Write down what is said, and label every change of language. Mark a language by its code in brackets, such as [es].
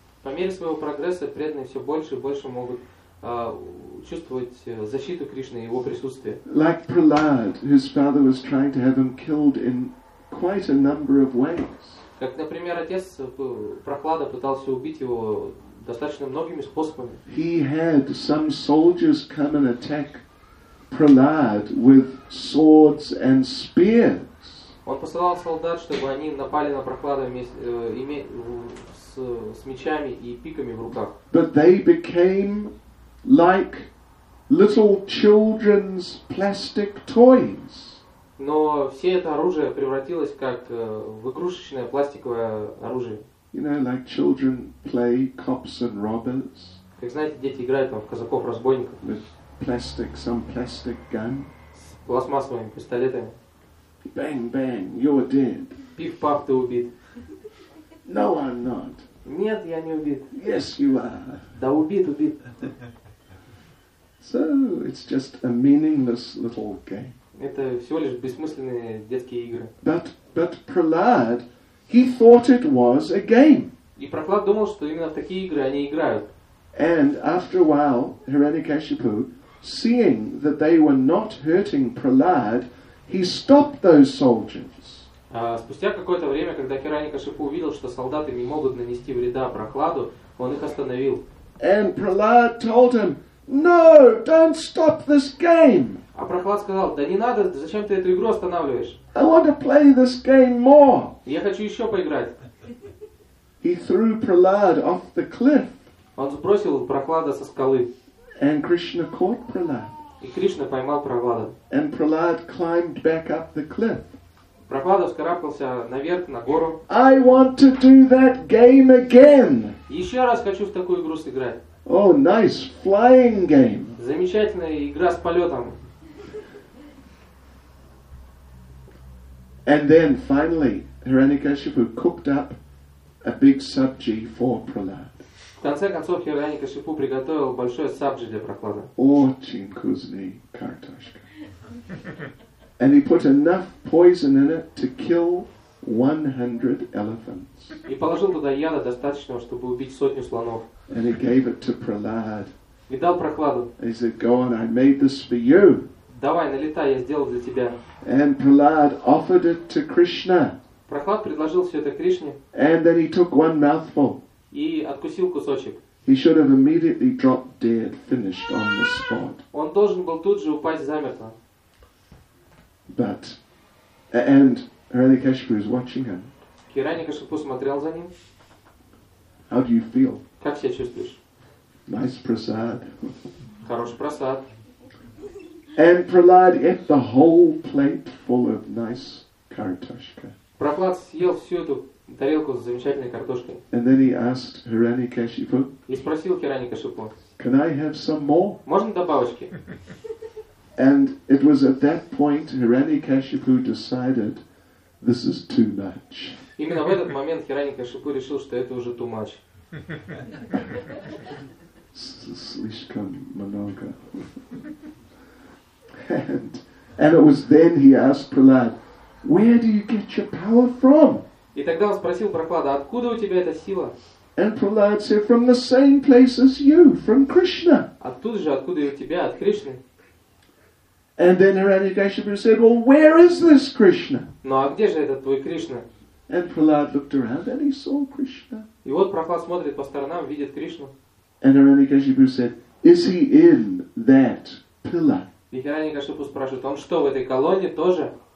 [ru] По мере своего прогресса преданные все больше и больше могут чувствовать защиту Кришны и его присутствие. [en] Like Prahlad, whose father was trying to have him killed in quite a number of ways. [ru] Как, например, отец Прохлада пытался убить его достаточно многими способами. [en] He had some soldiers come and attack Prahlad with swords and spears. [ru] Он посылал солдат, чтобы они напали на Прохлада с мечами и пиками в руках. [en] But they became like little children's plastic toys. [ru] Но все это оружие превратилось как в игрушечное пластиковое оружие. [en] You know, like children play cops and robbers. [ru] Как знаете, дети играют там в казаков-разбойников. [en] With plastic, some plastic gun. [ru] С пластмассовыми пистолетами. [en] Bang, bang, you're dead. [ru] Пиф-паф, ты убит. [en] No, I'm not. [ru] Нет, я не убит. [en] Yes, you are. [ru] Да убит. [en] So it's just a meaningless little game. [ru] Это всего лишь бессмысленные детские игры. [en] But Prahlad, he thought it was a game. [ru] И Прохлад думал, что именно в такие игры они играют. [en] And after a while, Hiranyakashipu, seeing that they were not hurting Prahlad, he stopped those soldiers. [ru] Спустя какое-то время, когда Hiranyakashipu увидел, что солдаты не могут нанести вреда Прохладу, он их остановил. [en] And Prahlad told him, "No, don't stop this game." [ru] А Прохлад сказал: "Да не надо, зачем ты эту игру останавливаешь?" [en] "I want to play this game more." [ru] Я хочу еще поиграть. [en] He threw Prahlad off the cliff. [ru] Он сбросил Прохлада со скалы. [en] And Krishna caught Prahlad. [ru] И Кришна поймал Прохлада. [en] And Prahlad climbed back up the cliff. [ru] Прохлад вскарабкался наверх на гору. [en] "I want to do that game again." [ru] Еще раз хочу в такую игру сыграть. [en] Oh, nice flying game. [ru] Замечательная игра с полетом. [en] And then finally, Hiranyakashipu cooked up a big subji for Prahlad. [ru] В конце концов, Hiranyakashipu приготовил большой сабджи для Прохлада. Очень вкусный картошка. [en] And he put enough poison in it to kill 100 elephants. [ru] И положил туда яда достаточного, чтобы убить сотню слонов. [en] And he gave it to Prahlad. [ru] И дал Прохладу. [en] He said, "Go on, I made this for you." [ru] Давай, налетай, я сделал для тебя. [en] And Prahlad offered it to Krishna. [ru] Прохлад предложил все это Кришне. [en] And then he took one mouthful. [ru] И откусил кусочек. [en] He should have immediately dropped dead, finished on the spot. [ru] Он должен был тут же упасть замертво. [en] But and Hiranyakashipu is watching him. [ru] Хираньякашипу смотрел за ним. [en] How do you feel? [ru] Как себя чувствуешь? [en] Nice prasad. [ru] Хороший прасад. [en] And Prahlad ate the whole plate full of nice kartoshka. [ru] Прохлад съел всю эту тарелку с замечательной картошкой. [en] And then he asked Hiranyakashipu. [ru] И спросил Хираньякашипу. [en] Can I have some more? [ru] Можно добавочки? [en] And it was at that point Hiranyakashipu decided this is too much. [ru] Именно в этот момент Хиранья-кашипу решил, что это уже [en] too much. [ru] Слишком много. [en] And it was then he asked Prahlad, where do you get your power from? [ru] И тогда он спросил Прохлада, откуда у тебя эта сила? [en] And Prahlad said, from the same place as you, from Krishna. [ru] Оттуда же, откуда у тебя, от Кришны. [en] And then Hiranyakashipu said, well, where is this Krishna? [ru] Ну а где же этот твой Кришна? [en] And Prahlad looked around and he saw Krishna. [ru] И вот Прохлад смотрит по сторонам, видит Кришну. [en] And Hiranyakashipu said, is he in that pillar? [ru] И Хиранья-кашипу спрашивает, он что, в этой колонне тоже?